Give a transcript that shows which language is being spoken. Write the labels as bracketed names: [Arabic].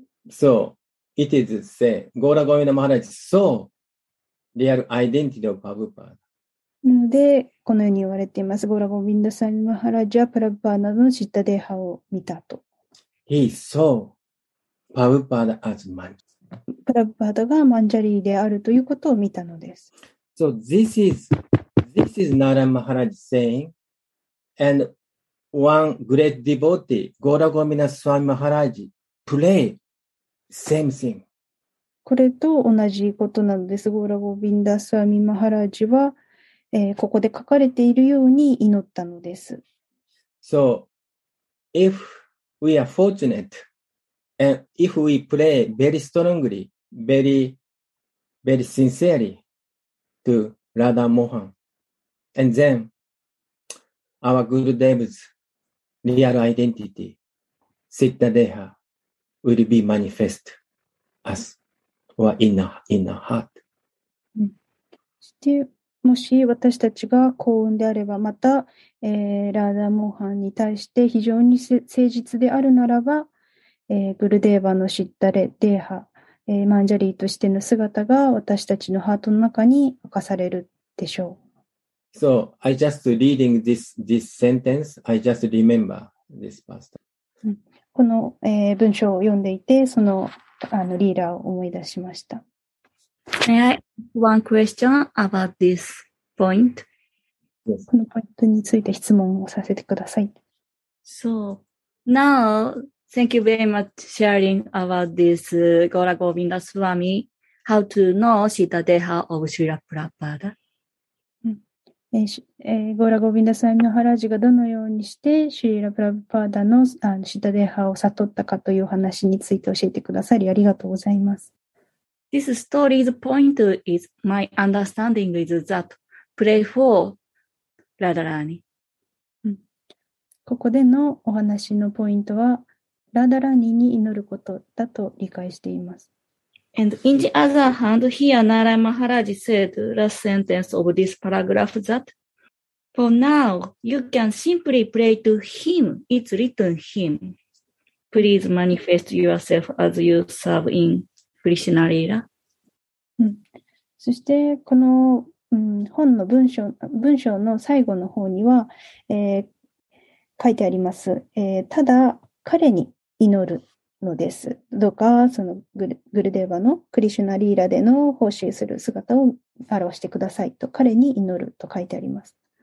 [English] So, it is said, ゴーラゴミナマハラジ saw real identity of Prabhupada. [Japanese] なので、このように言われています。ゴーラゴミナサミマハラジはプラパーダのシッタデハを見たと。 [English] He saw Prabhupada as Manjari. [Japanese] プラパーダがマンジャリーであるということを見たのです。 [English] So, this is Narayana Maharaj saying, and one great devotee, Gaura Govinda Swami Maharaj, pray same thing. [Japanese] これと同じことなのです。 Gaura Govinda Swami Maharaj は、ここで書かれているように祈ったのです。 [English] So, if we are fortunate, and if we pray very strongly, very, very sincerely to Radha Mohan,And then, our Gurudev's real identity, Siddha Deha, will be manifest as, or in our heart. [Japanese] そして、もし私たちが幸運であれば、また、ラーダモーハンに対して非常に誠実であるならば、グルデーバのシッダレデーハ、マンジャリーとしての姿が私たちのハートの中に明かされるでしょう。 [English] So, I just reading this sentence, I just remember this pastor. [Japanese] この、文章を読んでいて、その、リーダーを思い出しました。 [English] May I one question about this point? Yes. [Japanese] このポイントについて質問をさせてください。 [English] So, now, thank you very much sharing about this Gaura Govinda Swami, how to know Siddha Deha of Srila Prabhupada. [Japanese] ゴーラゴビンダスワミマハラージがどのようにしてシリラ・プラブパーダのシッタデーハを悟ったかという話について教えてくださりありがとうございます。 [English] This story's point is my understanding is that pray for Radharani. [Japanese] ここでのお話のポイントはラダラニに祈ることだと理解しています。 [English] And in the other hand here Narayana Maharaj said last sentence of this paragraph thatFor now, you can simply pray to him. It's written him. Please manifest yourself as you serve in Krishna Lila.、 [Japanese] そして、この、本の文章の最後の方には、書いてあります。ただ、彼に祈るのです。どうか、そのグルデーバのクリシュナリーラでの奉仕する姿を表してくださいと、彼に祈ると書いてあります。